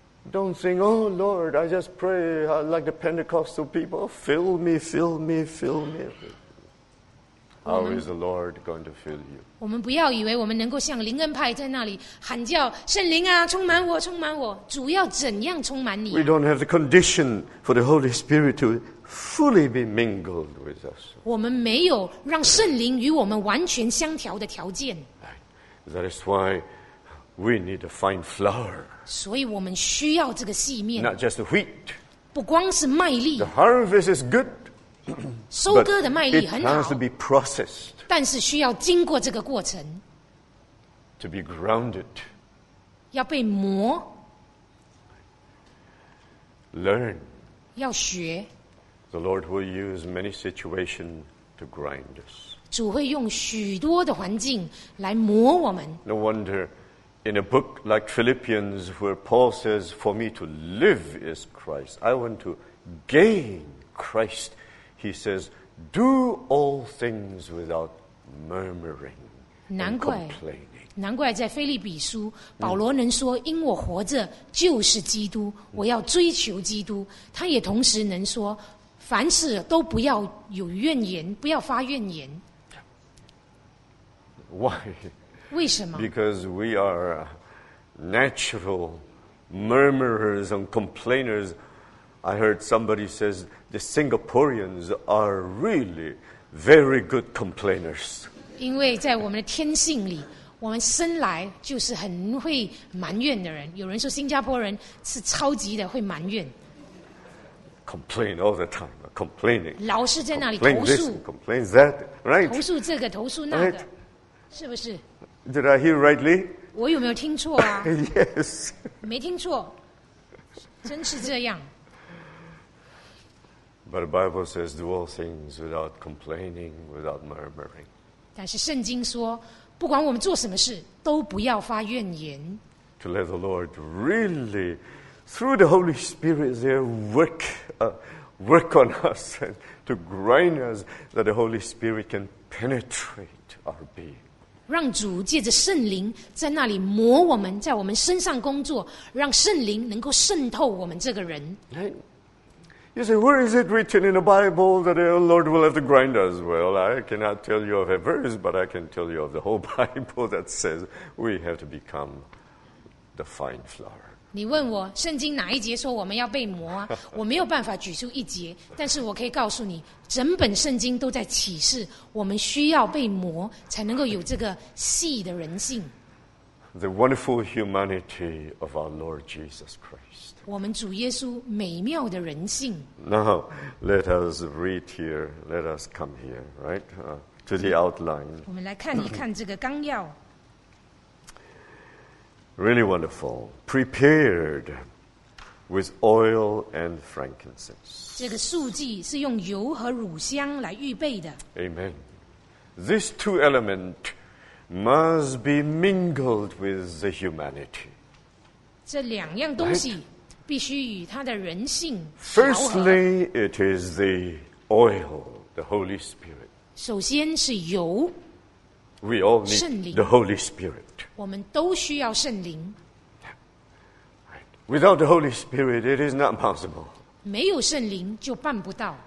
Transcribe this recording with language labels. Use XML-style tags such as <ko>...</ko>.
<en>Don't think, oh Lord, I just pray like the Pentecostal people, fill me, fill me, fill me. How is the Lord going to fill you?</en> <zh>我们不要以为我们能够像灵恩派在那里喊叫圣灵啊，充满我，充满我。主要怎样充满你？</zh> <en>We don't have the condition for the Holy Spirit to fully be mingled with us.</en> <zh>我们没有让圣灵与我们完全相调的条件。</zh> <en>That is why. We need a fine flour.</en> <zh>所以我们需要这个细面。</zh> <en>Not just the wheat.</en> <zh>不光是麦粒。</zh> <en>The harvest is good.</en> <zh>收割的麦粒很好。</zh> <en>But it has to be processed.</en> <zh>但是需要经过这个过程。</zh> <en>To be grounded.</en> <zh>要被磨。</zh> <en>Learn.</en> <zh>要学。</zh> <en>The Lord will use many situations to grind us.</en> <zh>主会用许多的环境来磨我们。</zh> <en>No wonder. In a book like Philippians, where Paul says, "For me to live is Christ. I want to gain Christ," he says, "Do all things without murmuring and complaining."</en> <zh>难怪在腓立比书，保罗能说，因我活着就是基督，我要追求基督。他也同时能说，凡事都不要有怨言，不要发怨言。</zh> <en>Why?</en> <zh>为什么?</zh> <en>Because we are natural murmurers and complainers. I heard somebody says the Singaporeans are really very good complainers.</en> <zh>因为在我们的天性里，我们生来就是很会埋怨的人。有人说新加坡人是超级的会埋怨。</zh> <en>Complain all the time, complaining.</en> <zh>老是在那里投诉。</zh> <en>Complain this, complain that, right?</en> <zh>投诉这个，投诉那个，</zh> <en>right?</en> <zh>是不是？</zh> <en>Did I hear rightly?</en> <zh>我有没有听错啊?</zh> <en>Yes.</en> <zh>没听错。真是这样。</zh> <en>But the Bible says do all things without complaining, without murmuring.</en> <zh>但是圣经说，不管我们做什么事，都不要发怨言。</zh> <en>To let the Lord really, through the Holy Spirit, there work on us and to grind us that the Holy Spirit can penetrate our being.</en> <zh>让主借着圣灵在那里磨我们，在我们身上工作，让圣灵能够渗透我们这个人。</zh> <en>You say, where is it written in the Bible that the Lord will have to grind us? Well, I cannot tell you of a verse, but I can tell you of the whole Bible that says we have to become the fine flour.</en> <zh>你问我圣经哪一节说我们要被磨啊？我没有办法举出一节，但是我可以告诉你。整本圣经都在启示，我们需要被磨，才能够有这个细的人性。</zh> <en>The wonderful humanity of our Lord Jesus Christ.</en> <zh>我们主耶稣美妙的人性。</zh> <en>Now, let us read here. Let us come here, right? to the outline.</en> <zh>我们来看一看这个纲要。</zh> <en>Really wonderful. Prepared with oil and frankincense.</en> <zh>这个素祭是用油和乳香来预备的。</zh> <en>Amen. These two elements must be mingled with the humanity.</en> <zh>这两样东西必须与他的人性调和。</zh> <en>Firstly, it is the oil, the Holy Spirit.</en> <zh>首先是油。</zh> <en>We all need the Holy Spirit.</en> <zh>我们都需要圣灵。</zh> <en>Without the Holy Spirit, it is not possible.</en> <zh>没有圣灵就办不到。</zh>